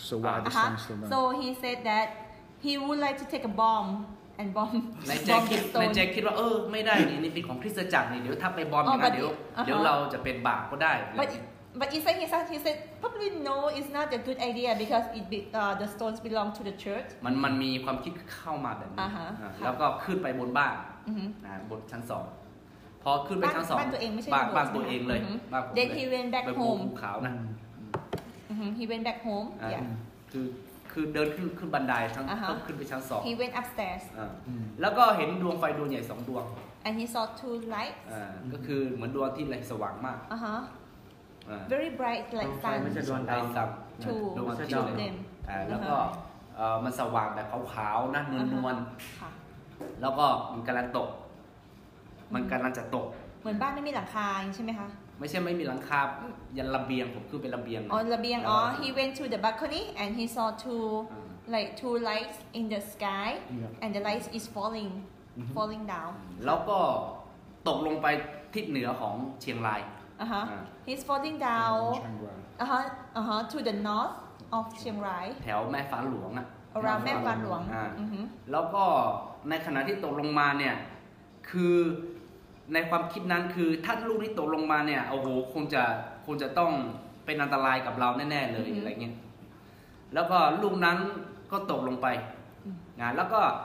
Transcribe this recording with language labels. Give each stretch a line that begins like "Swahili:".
English: so why the stone still there so he said that he would like to take a bomb and bomb
Thai: ในใจคิดว่าไม่ได้นี่เป็นของคริสตจักรนี่เดี๋ยวถ้าไปบอมนะเดี๋ยวเราจะเป็นบาปก็ได้
English: But he said probably no, it's not a good idea because the stones belong to the church.
Thai: มันมีความคิดเข้ามาแบบนี ้แล้วก็ขึ้นไปบนบ้านบนชั้นสองพอขึ้นไปชั้นสอง บ้านตัวเองไม่ใช่ บ้านตัวเองเลยบ้านผม
English: Then he went back home.
Thai: ขาวนะ
English: He went back home. Yeah.
Thai: คือเดินขึ้นบันไดทั้งขึ้นไปชั้นสอง
English: He went upstairs.
Thai: แล้วก็เห็นดวงไฟดวงใหญ่สองดวง
English: And he saw two lights.
Thai: ก็คือเหมือนดวงที่ไรสว่างมาก
English: very bright like sun
Thai: ไม่ใช่ดวงดาว ครับ ถูก ดวงอาทิตย์แล้วก็มันสว่างแบบขาวๆนะนวลๆแล้วก็มันกำลังตกมันกำลังจะตก เหมือนบ้านไม่มีหลังคาใช่ไหมคะ ไม่ใช่ไม่มีหลังคายันระเบียงผมขึ้นไประเบียง อ๋อระเบียงอ๋อ
English: he went to the balcony and he saw two like two lights in the sky and the light is falling down
Thai: แล้วก็ตกลงไปทิศเหนือของเชียงราย
English: He's falling down to the north of Chiang Rai.
Thai: แถวแม่ฟ้าหลวงอะ
English: around แม่ฟ้าหลวง
Thai: แล้วก็ในขณะที่ตกลงมาเนี่ยคือในความคิดนั้นคือถ้าลูกนี้ตกลงมาเนี่ยโอ้โหคงจะต้องเป็นอันตรายกับเราแน่ๆเลยอะไรเงี้ยแล้วก็ลูกนั้นก็ตกลงไปนะแล้วก็